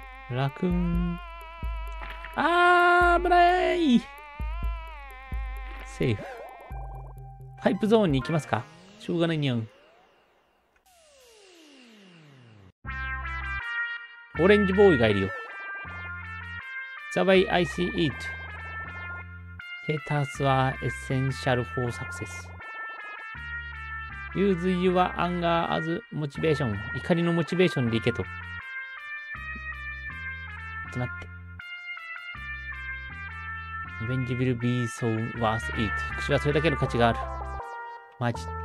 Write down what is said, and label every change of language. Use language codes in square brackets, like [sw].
[ja] ラクーン、あー危ない、セーフ。パイプゾーンに行きますか、しょうがないにゃん。オレンジボーイがいるよ。 [en] The way I see it, haters are essential for success. Use your anger as motivation. [ja] 怒りのモチベーションでいけと。ちょっと待って。 [en] Revenge will be so worth it. [ja] 復讐はそれだけの価値がある。マジ。